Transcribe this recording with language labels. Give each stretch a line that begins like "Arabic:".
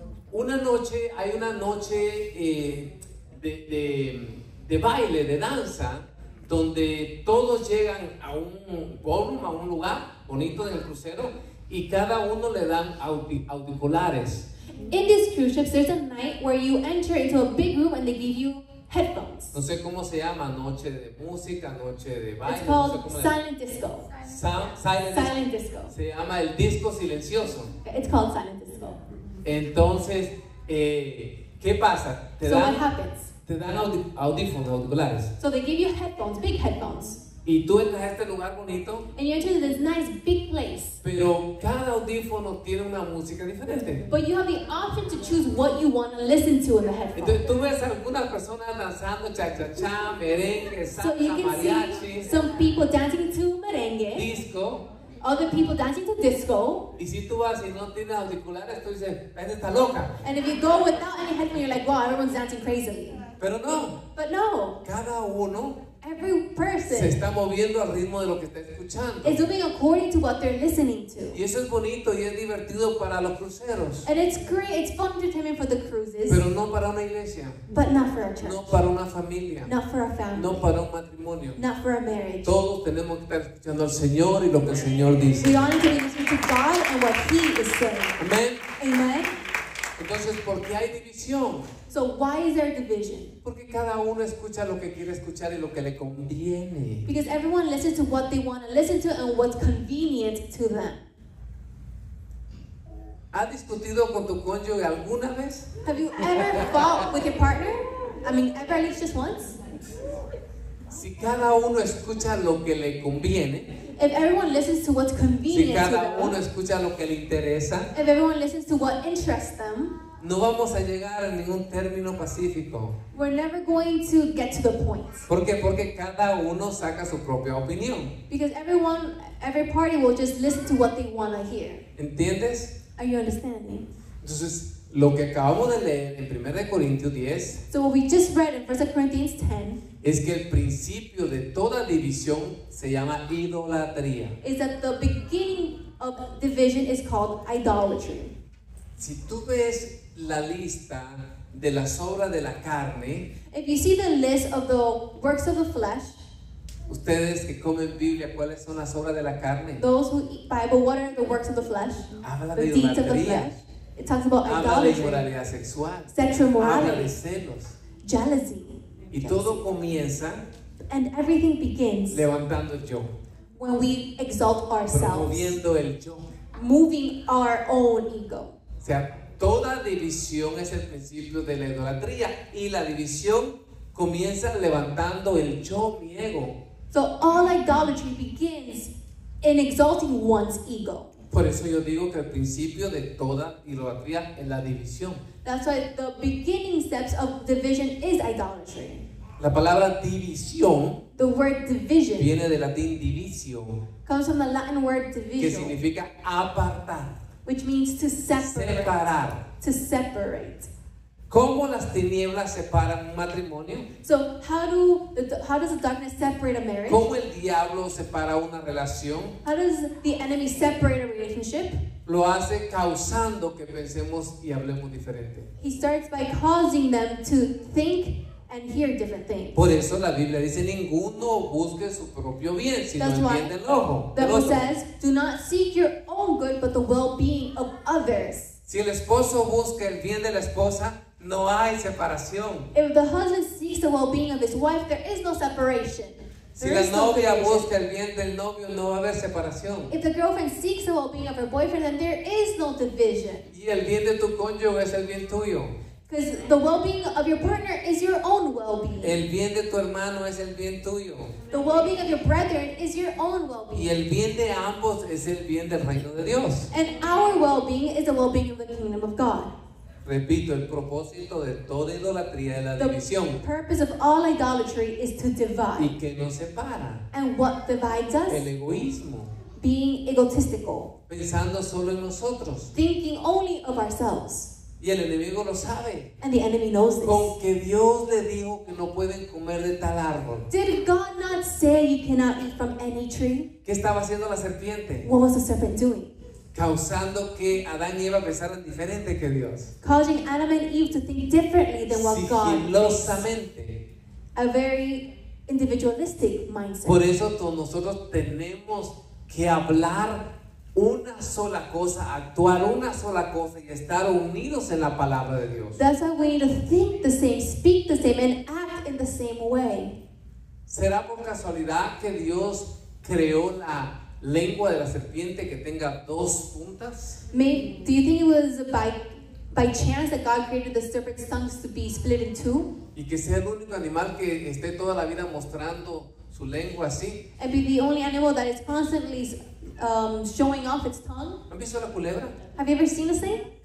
Spanish: Una noche, hay una noche de baile, de danza, donde todos llegan a un ballroom, a un lugar bonito en el crucero, y cada uno le dan auriculares.
English: In these cruise ships, there's a night where you enter into a big room and they give you headphones.
Spanish: No sé cómo se llama, noche de música, noche de baile.
English: It's called
Spanish: no sé
English: silent disco. Silent disco.
Spanish: Se llama el disco silencioso.
English: It's called silent disco.
Spanish: Entonces, ¿qué pasa?
English: What happens?
Spanish: Te dan audífonos, auriculares.
English: So they give you headphones, big headphones.
Spanish: Y tú entras a este lugar bonito.
English: And you enter this nice big place.
Spanish: Pero cada audífono tiene una música diferente.
English: But you have the option to choose what you want to listen to in the headphones.
Spanish: Entonces tú ves algunas personas danzando cha-cha-cha, merengue, salsa, mariachi.
English: So you can see some people dancing to merengue.
Spanish: Disco.
English: Other people dancing to disco.
Spanish: Y si tú vas y no tienes auriculares, tú dices, ¿esta está loca?
English: And if you go without any headphones, you're like, wow, everyone's dancing crazily.
Spanish: Pero no.
English: But no.
Spanish: Cada uno.
English: Every person
Spanish: se está moviendo al ritmo de lo que está escuchando.
English: Is moving according to what they're listening to.
Spanish: Y eso es bonito y es divertido para los cruceros.
English: And it's great, it's fun entertainment for the cruises.
Spanish: Pero no para una iglesia.
English: But not for a church.
Spanish: No para una familia.
English: Not for a family.
Spanish: No para un matrimonio.
English: Not for a marriage.
Spanish: Todos tenemos que estar escuchando al Señor y lo que el Señor dice.
English: We all need to be listening to God and what He is saying.
Spanish: Amen.
English: Amen.
Spanish: Entonces, ¿por qué hay división?
English: So why is there a division?
Spanish: Porque cada uno escucha lo que quiere escuchar y lo que le conviene.
English: Because everyone listens to what they want to listen to and what's convenient to them.
Spanish: ¿Has discutido con tu cónyuge alguna vez?
English: Have you ever fought with your partner? I mean, ever, at least just once?
Spanish: Si cada uno escucha lo que le conviene.
English: If everyone listens to what's convenient
Spanish: si cada
English: to them,
Spanish: uno escucha lo que le interesa,
English: if everyone listens to what interests them,
Spanish: no vamos a llegar a ningún término pacífico.
English: We're never going to get to the point.
Spanish: ¿Por qué? Porque cada uno saca su propia opinión.
English: Because everyone, every party will just listen to what they want to hear.
Spanish: ¿Entiendes?
English: Are you understanding?
Spanish: Entonces, lo que acabamos de leer en 1 Corintios 10,
English: so what we just read in 1 Corinthians 10,
Spanish: es que el principio de toda división se llama idolatría.
English: Is that the beginning of division is called idolatry.
Spanish: Si tú ves la lista de las obras de la carne,
English: if you see the list of the works of the flesh,
Spanish: ustedes que comen Biblia, ¿cuáles son las obras de la carne?
English: Those who eat Bible, what are the works of the flesh?
Spanish: Habla
English: the de deeds of the flesh. It talks about
Spanish: habla
English: idolatry.
Spanish: De inmoralidad sexual.
English: Sexual morality.
Spanish: Habla de celos.
English: Jealousy.
Spanish: Y
English: jealousy.
Spanish: Todo comienza.
English: And everything begins.
Spanish: Levantando el yo.
English: When we exalt ourselves.
Spanish: Promoviendo el yo.
English: Moving our own ego.
Spanish: O sea, toda división es el principio de la idolatría y la división comienza levantando el yo, mi ego.
English: So all idolatry begins in exalting one's ego.
Spanish: Por eso yo digo que el principio de toda idolatría es la división.
English: That's why the beginning steps of division is idolatry.
Spanish: La palabra división,
English: the word division,
Spanish: viene del latín divisio,
English: comes from the Latin word divisio,
Spanish: que significa apartar,
English: which means to separate,
Spanish: separar,
English: to separate.
Spanish: ¿Cómo las tinieblas separan un matrimonio?
English: So how does the darkness separate a marriage?
Spanish: ¿Cómo el diablo separa una relación?
English: How does the enemy separate a relationship?
Spanish: Lo hace causando que pensemos y hablemos diferente.
English: He starts by causing them to think and hear different things.
Spanish: Por eso la Biblia dice ninguno busque su propio bien, sino
English: that's
Spanish: el bien del ojo.
English: The Bible says, do not seek your own good, but the well-being of others.
Spanish: Si el esposo busca el bien de la esposa, no hay separación.
English: If the husband seeks the well-being of his wife, there is no separation.
Spanish: Si la novia busca el bien del novio, no va a haber separación.
English: If the girlfriend seeks the well-being of her boyfriend, then there is no division.
Spanish: Y el bien de tu cónyuge es el bien tuyo.
English: Because the well-being of your partner is your own well-being.
Spanish: El bien de tu hermano es el bien tuyo.
English: The well-being of your brethren is your own well-being.
Spanish: Y el bien de ambos es el bien del reino de Dios.
English: And our well-being is the well-being of the kingdom of God.
Spanish: Repito, el propósito de toda idolatría es la división.
English: The purpose of all idolatry is to divide.
Spanish: Y que nos separa.
English: And what divides us?
Spanish: El egoísmo.
English: Being egotistical.
Spanish: Pensando solo en nosotros.
English: Thinking only of ourselves.
Spanish: Y el enemigo lo sabe.
English: And the enemy knows this.
Spanish: Con que Dios le dijo que no pueden comer de tal árbol.
English: Did God not say you cannot eat from any tree?
Spanish: ¿Qué estaba haciendo la serpiente?
English: What was the serpent doing?
Spanish: Causando que Adán y Eva pensaran diferente que Dios.
English: Causing Adam and Eve to think differently than what
Spanish: sigilosamente.
English: God. A very individualistic mindset.
Spanish: Por eso todos nosotros tenemos que hablar una sola cosa, actuar una sola cosa y estar unidos en la palabra de Dios.
English: That's why we need to think the same, speak the same, and act in the same way.
Spanish: ¿Será por casualidad que Dios creó la lengua de la serpiente que tenga dos puntas?
English: Do you think it was by chance that God created the serpent's tongues to be split in two?
Spanish: Y que sea el único animal que esté toda la vida mostrando su lengua así.
English: And be the only animal that is constantly showing off its tongue.
Spanish: ¿Han visto la culebra?
English: Have you ever seen a snake?